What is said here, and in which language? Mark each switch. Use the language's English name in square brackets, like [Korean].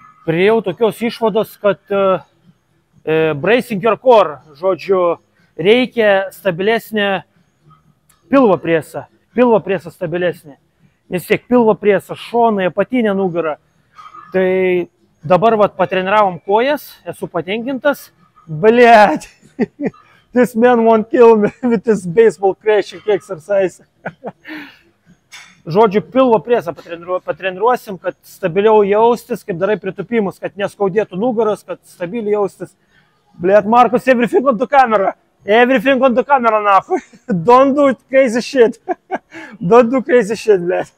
[Lithuanian] Priejau tokios išvados, kad... bracing your core, žodžiu, reikia stabilesnė pilvo priesa. Pilvo priesa stabilesnė. Nes tiek pilvo priesa, šonai, apatinė nugara. Tai dabar vat patreniravom kojas, esu patenkintas. [English] Blėt, this man won't kill me with this baseball crashing exercise. [Lithuanian] žodžiu, pilvo presą patreniruosim, kad stabiliau jaustis, kaip darai pritupimus, kad neskaudėtų nugaras, kad stabiliai jaustis. [English] Blėt, Markus, everything on the camera. Everything on the camera, nafui. Don't do crazy shit. Don't do crazy shit, blėt.